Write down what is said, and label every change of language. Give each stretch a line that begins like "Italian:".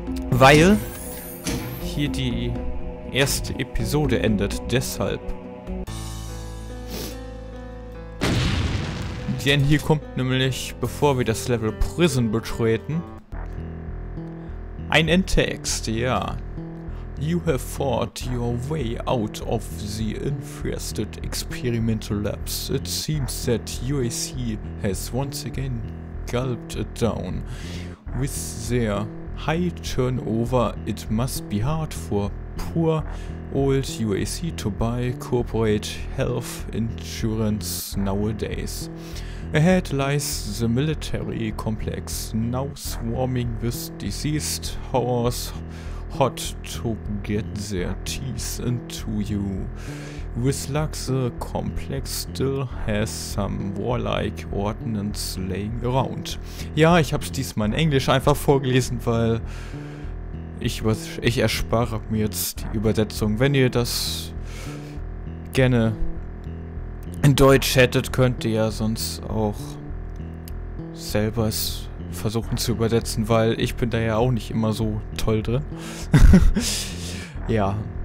German: Weil hier die erste Episode endet, deshalb. Denn hier kommt nämlich, bevor wir das Level Prison betreten, ein Endtext, ja.
English: You have fought your way out of the infested experimental labs. It seems that UAC has once again gulped it down. With their high turnover, it must be hard for poor old UAC to buy corporate health insurance nowadays. Ahead lies the military complex, now swarming with diseased horrors, hot to get their teeth into you. With luck, the complex still has some warlike ordnance laying around.
German: Ja, ich hab's diesmal in Englisch einfach vorgelesen, weil ich erspare mir jetzt die Übersetzung. Wenn ihr das gerne in Deutsch hättet, könnt ihr ja sonst auch selber es versuchen zu übersetzen, weil ich bin da ja auch nicht immer so toll drin. Ja.